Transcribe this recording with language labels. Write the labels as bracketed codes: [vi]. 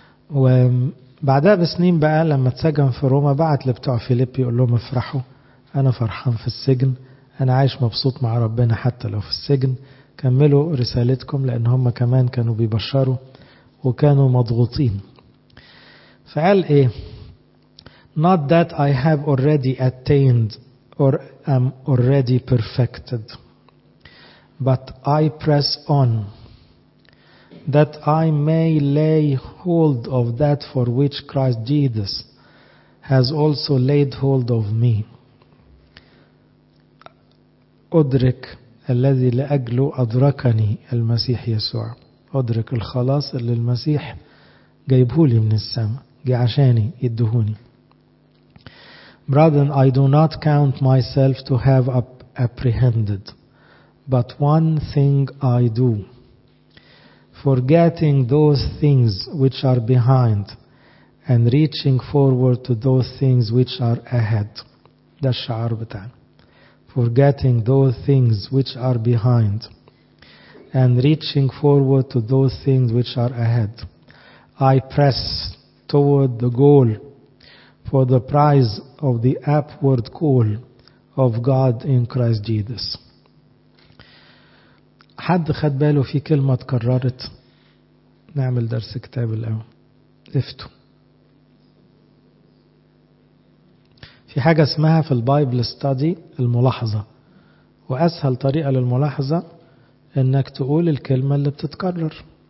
[ar] وبعدها بسنين بقى لما تسجن في روما بعت لبتوع فيليبي يقول لهم افرحوا، انا فرحان في السجن، انا عايش مبسوط مع ربنا حتى لو في السجن، كملوا رسالتكم، لان هم كمان كانوا بيبشروا وكانوا مضغوطين. فقال ايه؟ [en] Not that I have already attained or am already perfected, but I press on that I may lay hold of that for which Christ Jesus has also laid hold of me. [ar] أدرك الذي لأجله أدركني المسيح يسوع. أدرك الخلاص اللي المسيح جايبهولي من السماء، جي عشاني يدهوني. [en] Brethren, I do not count myself to have apprehended, but one thing I do, forgetting those things which are behind and reaching forward to those things which are ahead. [ar] ده الشعار بتاعنا. [en] Forgetting those things which are behind and reaching forward to those things which are ahead. I press toward the goal for the prize of the upward call of God in Christ Jesus. [ar] حد خد باله في كلمة تكررت؟ نعمل درس كتاب الأول. افتوا، في حاجة اسمها في البايبل ستادي الملاحظة، وأسهل طريقة للملاحظة إنك تقول الكلمة اللي بتتكرر.